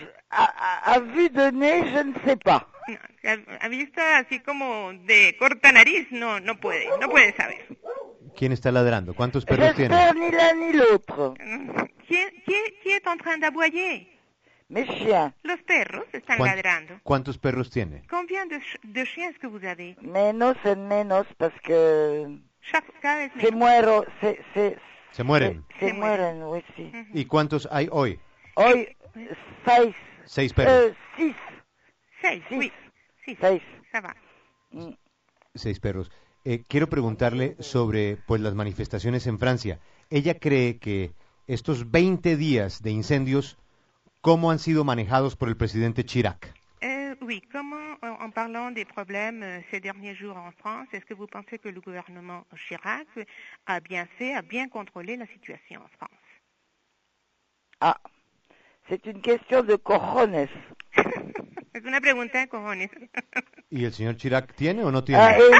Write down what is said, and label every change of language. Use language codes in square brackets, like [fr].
[fr] A vue de nez, je ne sais pas. [es] A vista así como de corta nariz, no puede saber. ¿Quién está ladrando? ¿Cuántos perros tiene? [fr] J'espère ni l'un ni l'autre. ¿Qui est en train d'aboyer? Mes chiens. [es] Los perros están ladrando. ¿Cuántos perros tiene? [fr] Combien de chiens que vous avez? [es] Menos en menos, [fr] parce que... [es] Cada vez menos. Se mueren. Se mueren, oui, sí. Uh-huh. ¿Y cuántos hay hoy? Hoy, seis. ¿Seis perros? [fr] Six. [es] Seis, oui. Seis. [fr] Ça va. [es] Seis perros. Quiero preguntarle sobre, pues, las manifestaciones en Francia. ¿Ella cree que estos 20 días de incendios... ¿Cómo han sido manejados por el presidente Chirac? [fr] Oui, comment, en parlant des problèmes ces derniers jours en France, est-ce que vous pensez que le gouvernement Chirac a bien contrôlé la situation en France? Ah, c'est une question de cojones. [es] Es una pregunta de cojones. ¿Y el señor Chirac tiene o no tiene?